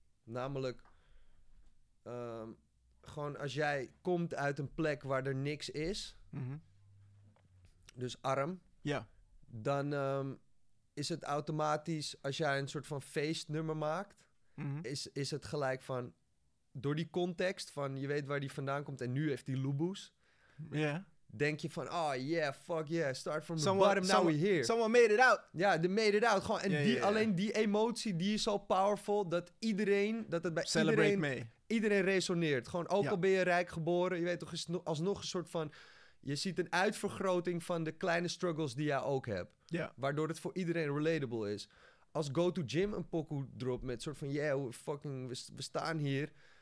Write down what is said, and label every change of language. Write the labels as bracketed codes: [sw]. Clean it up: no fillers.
[nl] Namelijk, gewoon als jij komt uit een plek waar er niks is, dus arm, ja, dan is het automatisch, als jij een soort van feestnummer maakt, is het gelijk van... Door die context van, je weet waar die vandaan komt en nu heeft hij luboes. Ja. [en] Yeah. [nl] Denk je van, [en] oh yeah, fuck yeah, start from the bottom, now we're here. Someone made it out. Ja, they made it out. [nl] Gewoon, en alleen die emotie, die is zo powerful dat iedereen, dat het bij iedereen resoneert. Gewoon, ook al ben je rijk geboren, je weet toch, alsnog een soort van, je ziet een uitvergroting van de kleine struggles die jij ook hebt. Ja. [en] Yeah. [nl] Waardoor het voor iedereen relatable is. Als Go To Gym een pokoe drop met soort van, yeah, we staan hier.